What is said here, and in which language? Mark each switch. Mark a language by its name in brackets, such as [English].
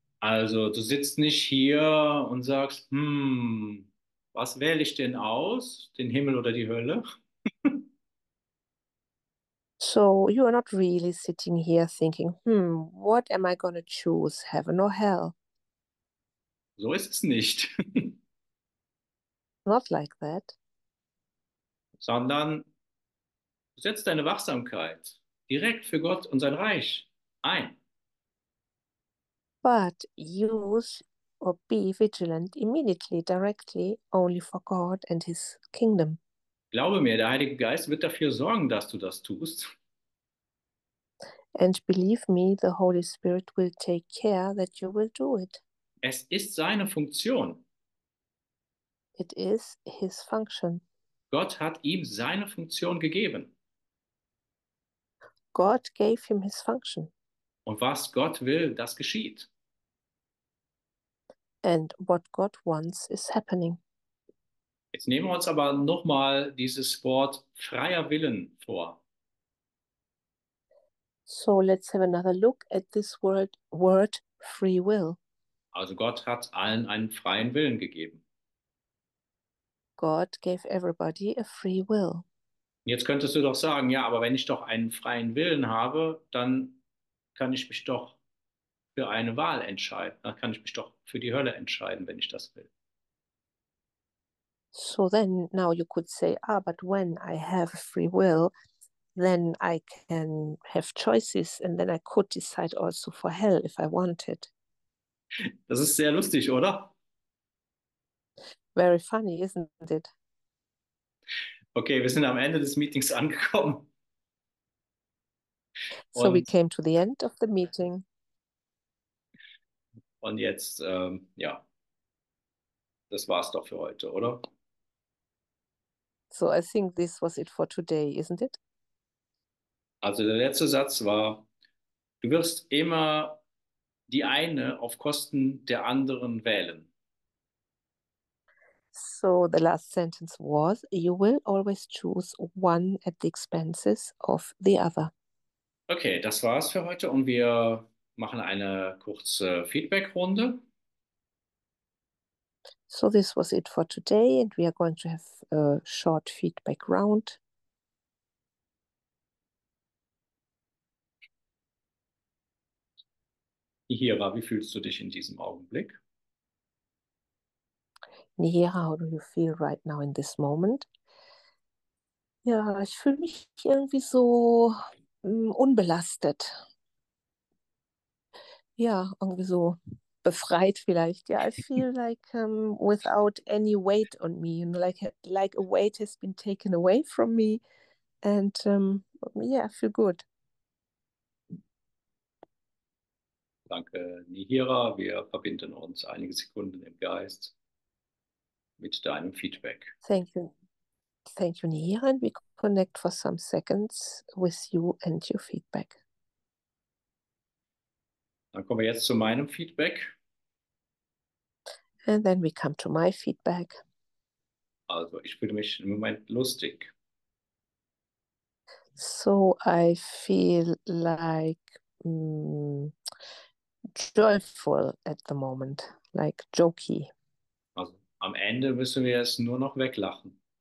[German] Also, du sitzt nicht hier und sagst, was wähle ich denn aus? Den Himmel oder die Hölle? [English] So you are not really sitting here thinking, what am I going to choose, heaven or hell? [German] So ist es nicht. [English] Not like that. [German] Sondern du setzt deine Wachsamkeit direkt für Gott und sein Reich ein. [English] But use or be vigilant immediately, directly, only for God and his kingdom. [German] Glaube mir, der Heilige Geist wird dafür sorgen, dass du das tust. [English] And believe me, the Holy Spirit will take care that you will do it. [German] Es ist seine Funktion. [English] It is his function. [German] Gott hat ihm seine Funktion gegeben. [English] God gave him his function. [German] Und was Gott will, das geschieht. [English] And what God wants is happening. [German] Jetzt nehmen wir uns aber nochmal dieses Wort freier Willen vor. [English] So let's have another look at this word free will. [German] Also Gott hat allen einen freien Willen gegeben. [English] God gave everybody a free will. [German] Jetzt könntest du doch sagen, ja, aber wenn ich doch einen freien Willen habe, dann kann ich mich doch für eine Wahl entscheiden. Dann kann ich mich doch für die Hölle entscheiden, wenn ich das will. [English] So then, now you could say, but when I have free will, then I can have choices and then I could decide also for hell if I wanted. [German] Das ist sehr lustig, oder? [English] Very funny, isn't it? [German] Okay, wir sind am Ende des Meetings angekommen. [English] So we came to the end of the meeting. [German] Und jetzt, ja, das war's doch für heute, oder? [English] So I think this was it for today, isn't it? [German] Also der letzte Satz war, du wirst immer die eine auf Kosten der anderen wählen. [English] So the last sentence was, you will always choose one at the expenses of the other. [German] Okay, das war's für heute und wir machen eine kurze Feedback-Runde. [English] So this was it for today and we are going to have a short feedback round. [German] Nihira, wie fühlst du dich in diesem Augenblick? [English] Nihira, how do you feel right now in this moment? [German] Ja, ich fühle mich irgendwie so unbelastet. Ja, irgendwie so befreit vielleicht. [English] Ja, I feel like without any weight on me, you know, like a weight has been taken away from me. And yeah, I feel good. [German] Danke, Nihira. Wir verbinden uns einige Sekunden im Geist mit deinem Feedback. [English] Thank you. Thank you, Nia, and we connect for some seconds with you and your feedback. [German] Dann kommen wir jetzt zu meinem Feedback. [English] And then we come to my feedback. [German] Also, ich fühle mich im Moment lustig. [English] So I feel like joyful at the moment, like jokey. [German] Also, am Ende müssen wir es nur noch weglachen.